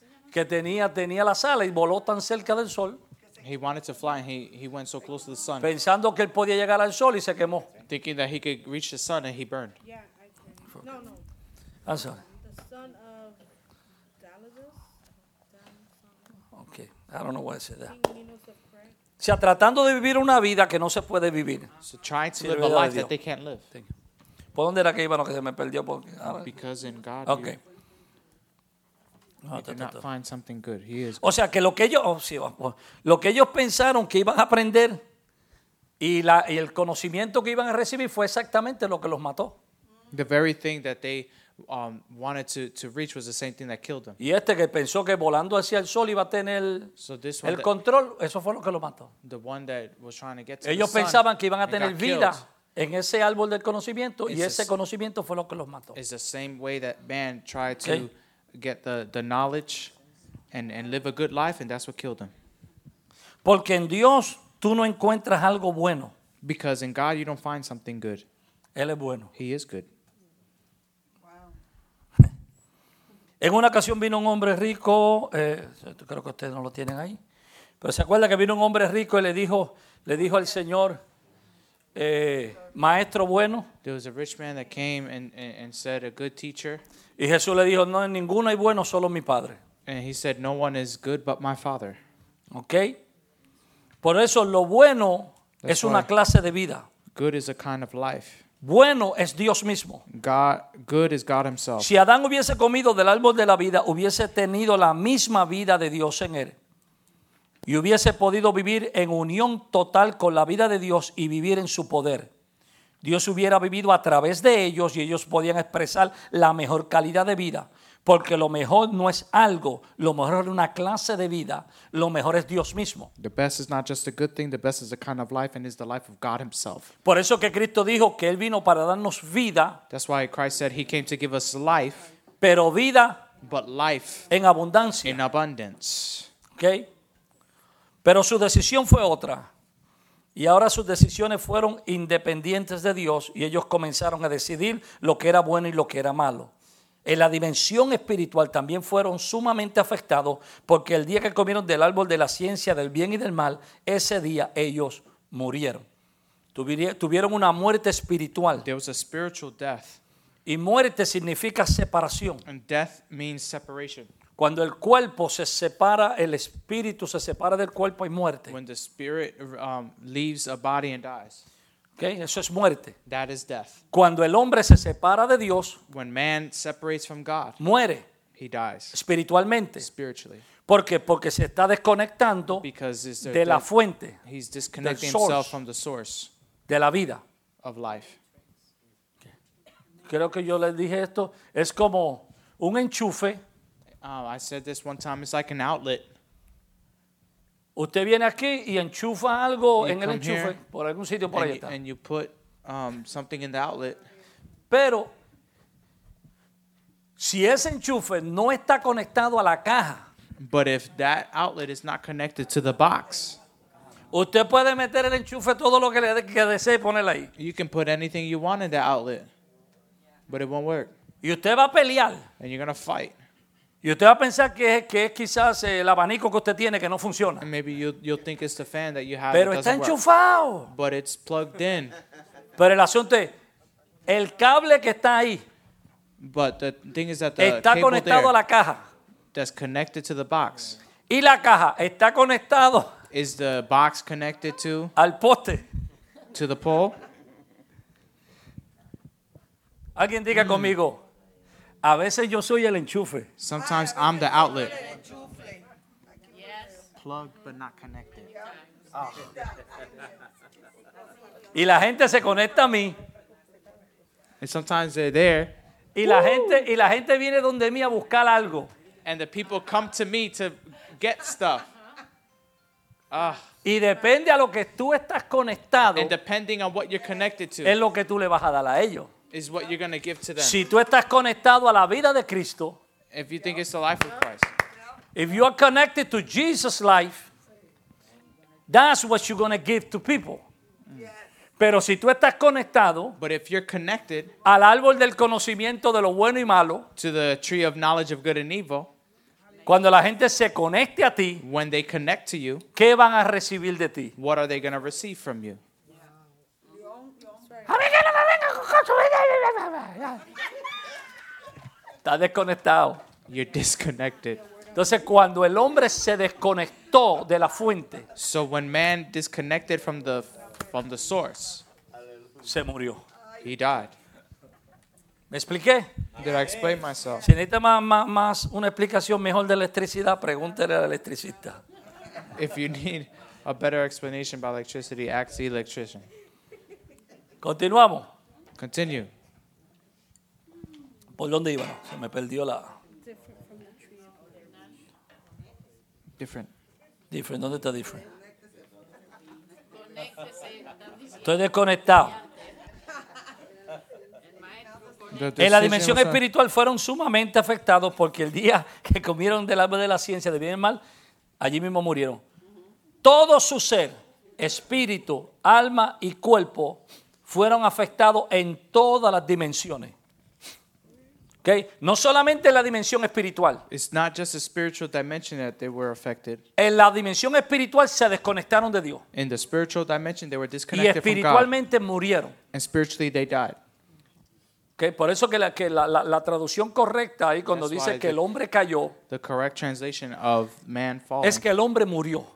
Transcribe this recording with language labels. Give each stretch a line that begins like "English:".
Spanish: Que tenía la sala y voló tan cerca del sol.
English: He wanted to fly and he went so close to the sun.
Spanish: Pensando que él podía llegar al sol y se quemó.
English: Thinking that he could reach the sun and he burned. Yeah, I can. No. I'm sorry. The son of Dallas. Okay, I don't know what I said that.
Spanish: O sea, tratando de vivir una vida que no se puede vivir.
English: So trying to live a life that they can't live. Thank you.
Spanish: ¿Por dónde era que iba? No, que se me perdió. Porque,
English: because in God, okay. you did not find something good. He is
Spanish: o sea, que lo que ellos, lo que ellos pensaron que iban a aprender y el conocimiento que iban a recibir fue exactamente lo que los mató.
English: The very thing that they wanted to reach was the same thing that killed them.
Spanish: Y este que pensó que volando hacia el sol iba a tener
English: so
Spanish: el
English: that,
Spanish: control, eso fue lo que los mató.
English: The one that was trying to get to
Spanish: ellos
English: the
Spanish: pensaban
English: sun
Spanish: que iban a tener vida.
English: Killed.
Spanish: En ese árbol del conocimiento y ese conocimiento fue lo que los mató.
English: It's the same way that man tried to get the knowledge and live a good life and that's what killed him.
Spanish: Porque en Dios tú no encuentras algo bueno.
English: Because in God you don't find something good.
Spanish: Él es bueno.
English: He is good. Wow.
Spanish: En una ocasión vino un hombre rico, creo que ustedes no lo tienen ahí, pero se acuerda que vino un hombre rico y le dijo al Señor, maestro bueno.
English: There was a rich man that came and said, a good teacher.
Spanish: Y Jesús le dijo, no, ninguno hay bueno, solo mi padre.
English: And he said, no one is good but my father.
Spanish: Okay. Por eso lo bueno
English: that's
Spanish: es una clase de vida.
English: Good is a kind of life.
Spanish: Bueno es Dios mismo.
English: God, good is God himself.
Spanish: Si Adán hubiese comido del árbol de la vida, hubiese tenido la misma vida de Dios en él. Y hubiese podido vivir en unión total con la vida de Dios y vivir en su poder. Dios hubiera vivido a través de ellos y ellos podían expresar la mejor calidad de vida. Porque lo mejor no es algo, lo mejor es una clase de vida, lo mejor es Dios mismo.
English: The best is not just a good thing, the best is a kind of life and is the life of God himself.
Spanish: Por eso que Cristo dijo que él vino para darnos vida.
English: That's why Christ said he came to give us life.
Spanish: Pero vida.
English: But life.
Spanish: En abundancia.
English: In abundance.
Spanish: Okay. Pero su decisión fue otra. Y ahora sus decisiones fueron independientes de Dios y ellos comenzaron a decidir lo que era bueno y lo que era malo. En la dimensión espiritual también fueron sumamente afectados porque el día que comieron del árbol de la ciencia del bien y del mal, ese día ellos murieron. Tuvieron una muerte espiritual.
English: There was a spiritual death.
Spanish: Y muerte significa separación.
English: And death means separation.
Spanish: Cuando el cuerpo se separa, el espíritu se separa del cuerpo y muerte.
English: When the spirit leaves a body and dies.
Spanish: Okay, eso es muerte.
English: That is death.
Spanish: Cuando el hombre se separa de Dios,
English: when man separates from God,
Spanish: muere.
English: he dies.
Spanish: Espiritualmente.
English: Spiritually.
Spanish: ¿Por qué? Porque se está desconectando de la fuente.
English: He's disconnecting himself from the source.
Spanish: De la vida.
English: Of life.
Spanish: Creo que yo les dije esto. Es como un enchufe.
English: I said this one time. It's like an outlet.
Spanish: Usted viene aquí y enchufa algo en el enchufe. Por algún sitio por ahí está.
English: And you put something in the outlet.
Spanish: Pero si ese enchufe no está conectado a la caja.
English: But if that outlet is not connected to the box.
Spanish: Usted puede meter el enchufe todo lo que le que desee poner ahí.
English: You can put anything you want in the outlet. But it won't work.
Spanish: Y usted va a pelear.
English: And you're going to fight.
Spanish: Y usted va a pensar que es quizás el abanico que usted tiene que no funciona.
English: And maybe you'll think it's the fan that you have.
Spanish: Pero está enchufado.
English: Work. But it's plugged in.
Spanish: Pero el asunto es el cable que está ahí.
English: But the thing is that the
Spanish: está cable conectado
English: there
Spanish: a la caja.
English: That's connected to the box.
Spanish: Y la caja está conectado.
English: Is the box connected to?
Spanish: Al poste.
English: To the pole.
Spanish: Alguien diga conmigo. A veces yo soy el enchufe.
English: Sometimes I'm the outlet. Yes. Plugged but not connected. Oh.
Spanish: Y la gente se conecta a mí.
English: And sometimes they're there.
Spanish: Y la gente viene donde mí a buscar algo.
English: And the people come to me to get stuff.
Spanish: Y depende a lo que tú estás conectado.
English: And depending on what you're connected to.
Spanish: Es lo que tú le vas a dar a ellos.
English: Is what you're going to give to them.
Spanish: Si tú estás conectado a la vida de Cristo.
English: If you think it's the life of Christ. If you are connected to Jesus' life. That's what you're going to give to people.
Spanish: Pero si tú estás conectado,
English: but if you're connected,
Spanish: al árbol del conocimiento de lo bueno y malo,
English: to the tree of knowledge of good and evil,
Spanish: cuando la gente se conecte a ti,
English: when they connect to you,
Spanish: ¿qué van a recibir de ti?
English: What are they going to receive from you?
Spanish: Está desconectado.
English: You're disconnected.
Spanish: Entonces cuando el hombre se desconectó de la fuente,
English: so when man disconnected from the source,
Spanish: se murió.
English: He died.
Spanish: ¿Me expliqué?
English: Did I explain myself?
Spanish: Si necesita más una explicación mejor de electricidad, pregúntele al electricista.
English: If you need a better explanation about electricity, ask the electrician.
Spanish: Continuamos.
English: Continue.
Spanish: ¿Por dónde iba? Se me perdió la.
English: Different.
Spanish: Different. ¿Dónde está different? Estoy desconectado. En la dimensión espiritual fueron sumamente afectados porque el día que comieron del árbol de la ciencia de bien y mal, allí mismo murieron. Todo su ser, espíritu, alma y cuerpo fueron afectados en todas las dimensiones. Okay. No solamente en la dimensión espiritual.
English: It's not just a spiritual dimension that they were affected.
Spanish: En la dimensión espiritual se desconectaron de Dios.
English: In the spiritual dimension they were disconnected.
Spanish: Y espiritualmente murieron.
English: And spiritually they died. Okay.
Spanish: Por eso que la traducción correcta ahí cuando
English: That's
Spanish: dice que el hombre cayó.
English: The correct translation of man falling.
Spanish: Es que el hombre murió.